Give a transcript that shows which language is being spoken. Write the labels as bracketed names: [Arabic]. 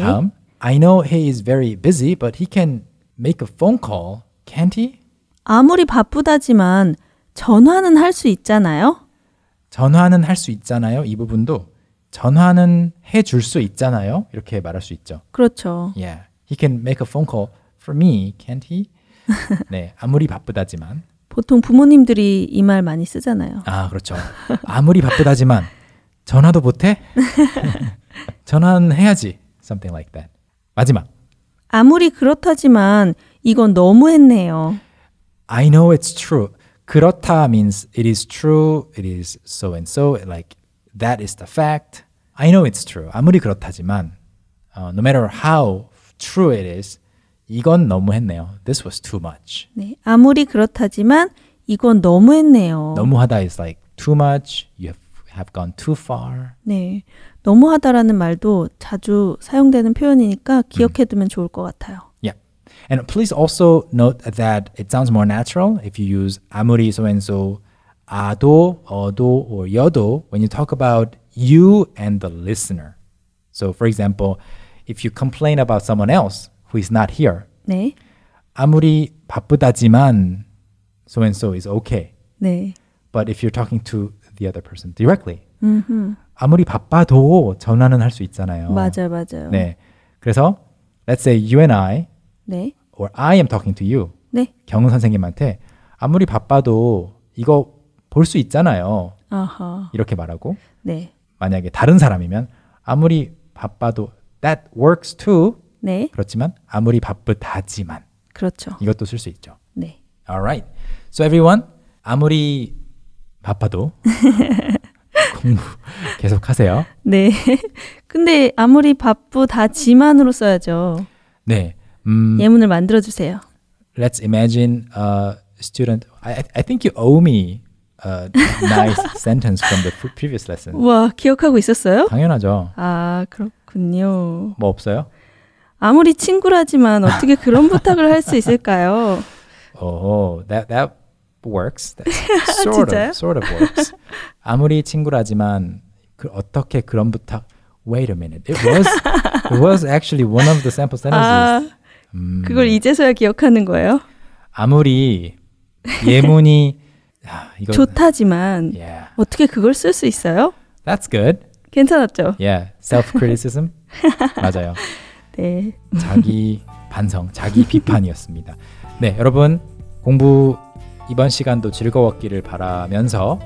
[Korean] 다음 [English] I know he is very busy, but he can make a phone call, can't he? [Korean] 아무리 바쁘다지만 전화는 할 수 있잖아요. 전화는 할 수 있잖아요. 이 부분도 전화는 해 줄 수 있잖아요. 이렇게 말할 수 있죠. 그렇죠. [English] Yeah, he can make a phone call for me, can't he? [Korean] 네, 아무리 바쁘다지만. 보통 부모님들이 이 말 많이 쓰잖아요. 아, 그렇죠. 아무리 바쁘다지만 전화도 못해? 전화는 해야지. [English] Something like that. [Korean] 마지막. 아무리 그렇다지만 이건 너무 했네요. [English] I know it's true. [Korean] 그렇다 [English] means it is true, it is so and so, like that is the fact. I know it's true. [Korean] 아무리 그렇다지만 [English] no matter how true it is, [Korean] 이건 너무 했네요. [English] This was too much. [Korean] 네, 아무리 그렇다지만 이건 너무 했네요. 너무하다 [English] is like too much. You have gone too far. [Korean] 네. 너무하다라는 말도 자주 사용되는 표현이니까 기억해두면 좋을 것 같아요. [English] Yeah. And please also note that it sounds more natural if you use [Korean] 아무리 [English] so-and-so [Korean] 아도, 어도, [English] or [Korean] 여도 [English] when you talk about you and the listener. So for example, if you complain about someone else who is not here, [Korean] 네. 아무리 바쁘다지만 [English] so-and-so is okay. [Korean] 네. [English] But if you're talking to the other person directly, mm-hmm. [Korean] 아무리 바빠도 전화는 할 수 있잖아요. 맞아요, 맞아요. 네, 그래서 [English] let's say you and I, [Korean] 네, [English] or I am talking to you, [Korean] 네, 경은 선생님한테 아무리 바빠도 이거 볼 수 있잖아요. 아하. 이렇게 말하고, 네, 만약에 다른 사람이면 아무리 바빠도 [English] that works too, [Korean] 네, 그렇지만 아무리 바쁘다지만, 그렇죠. 이것도 쓸 수 있죠. 네. [English] Alright, so everyone, [Korean] 아무리 바빠도 계속 하세요. 네. 근데 아무리 바쁘다지만으로 써야죠. 네. 예문을 만들어주세요. [English] Let's imagine a student. I think you owe me a nice sentence from the previous lesson. [Korean] 와, 기억하고 있었어요? 당연하죠. 아, 그렇군요. 뭐 없어요? 아무리 친구라지만 어떻게 그런 부탁을 할 수 있을까요? [English] Oh, that works. Sort of works. [Korean] 아무리 친구라지만 그 어떻게 그런 부탁? [English] Wait a minute. It was actually one of the sample sentences. [Korean] 아, 그걸 이제서야 기억하는 거예요? 아무리 예문이 아, 이거, 좋다지만 [English] yeah. [Korean] 어떻게 그걸 쓸 수 있어요? [English] That's good. [Korean] 괜찮았죠? [English] Yeah, self-criticism. [Korean] 맞아요. 네. 자기 반성, 자기 비판이었습니다. 네, 여러분 공부 이번 시간도 즐거웠기를 바라면서